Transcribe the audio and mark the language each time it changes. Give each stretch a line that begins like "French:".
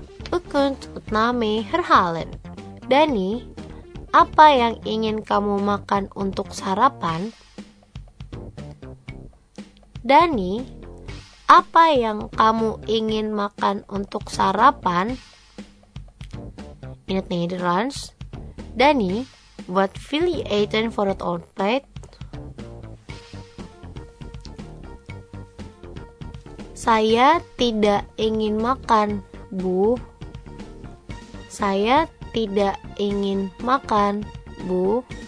Dutch: U kunt het na mij herhalen.
Indonesian: Danny, apa yang ingin kamu makan untuk sarapan? Danny, apa yang kamu ingin makan untuk sarapan?
Dutch: In het Nederlands. Danny, wat wil je eten voor het ontbijt?
Indonesian: Saya tidak ingin makan, Bu. Saya tidak ingin makan, Bu.